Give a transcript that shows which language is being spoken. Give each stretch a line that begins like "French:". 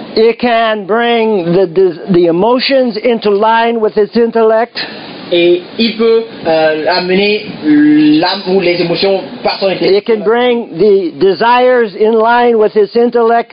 English: It can bring the emotions into line with its intellect.
French: Et il peut amener l'âme ou les émotions par son intellect.
English: It can bring the desires in line with its intellect